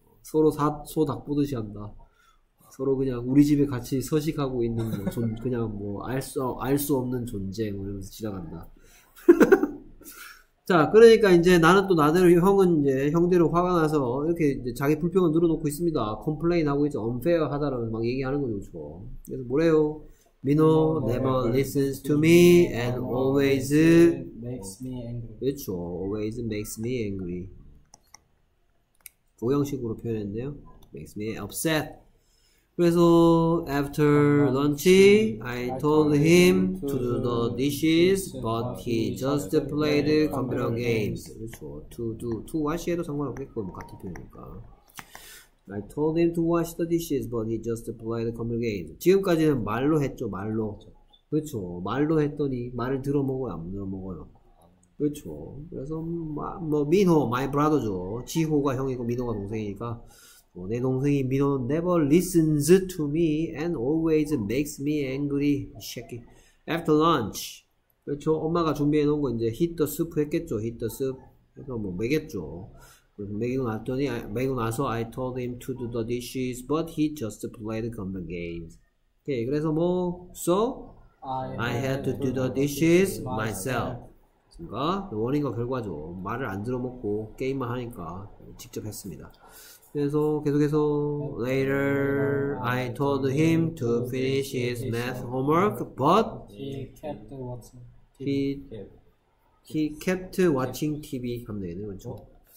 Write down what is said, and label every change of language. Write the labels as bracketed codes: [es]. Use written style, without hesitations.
[ko] 서로 소 닭 보듯이 한다 서로 그냥 우리 집에 같이 서식하고 있는 뭐 존 그냥 뭐 알 수 없는 존재 뭐 이러면서 지나간다 자 그러니까 이제 나는 또 나대로 형은 이제 형대로 화가 나서 이렇게 이제 자기 불평을 늘어놓고 있습니다 컴플레인 하고 있죠 unfair 하다라고 막 얘기하는 거죠 그래서 뭐래요? [en] 민호 never listens to me and always makes me angry. [ko] 그렇죠. [en] Always makes me angry. [ko] 부정식으로 표현했네요. [en] Makes me upset. 그래서 after lunch, I told him to do the dishes, but he just played computer games. [ko] 그렇죠. [en] To do, to wash [ko] 해도 상관없겠고 같은 표현이니까. [en] I told him to wash the dishes, but he just played computer games. [ko] 지금까지는 말로 했죠, 말로. 그렇죠. 말로 했더니 말을 들어먹어요, 안 들어먹어요. 그렇죠. 그래서 뭐 민호, [en] my brother [ko] 죠. 지호가 형이고 민호가 동생이니까. 뭐, 내 동생이 [en] 민호 never listens to me and always makes me angry. [ko] 이 새끼. [en] After lunch. [ko] 그렇죠. 엄마가 준비해 놓은 거 이제 [en] heat the soup [ko] 했겠죠. [en] Heat the soup. [ko] 해서 뭐 먹였죠. 그래서 먹이고 났더니, 먹이고 나서 [en] I told him to do the dishes, but he just played computer games. 오케이. [ko] 그래서 뭐, [en] so I had to do the dishes myself. [ko] 그니까, 원인과 결과죠. 말을 안 들어먹고 게임만 하니까 직접 했습니다. 그래서 계속해서 [en] later I told him to finish his math homework, but he kept watching TV. [ko] 하면 되겠네요, 그렇죠?